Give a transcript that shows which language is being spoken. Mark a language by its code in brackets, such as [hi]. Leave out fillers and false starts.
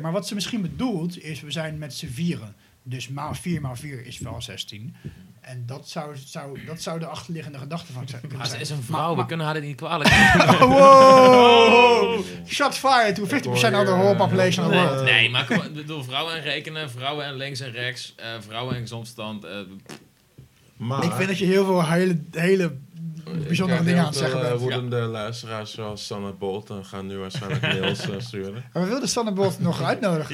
[nl] Maar wat ze misschien bedoelt is, we zijn met z'n vieren. Dus maal 4 is wel 16. En dat zou de achterliggende gedachte van zijn. Maar ze is een vrouw, we kunnen haar niet kwalijk. Wow! [en] Shot fired to 50% of the whole population of the world. [nl] Nee, maar door vrouwen en rekenen, vrouwen en links en rechts, vrouwen en gezondstand. Maar ik vind dat je heel veel hele bijzondere dingen aan het zeggen bent. Woedende luisteraars zoals Sanne Bolton gaan nu waarschijnlijk mails sturen. En we wilden Sanne Bolton nog uitnodigen.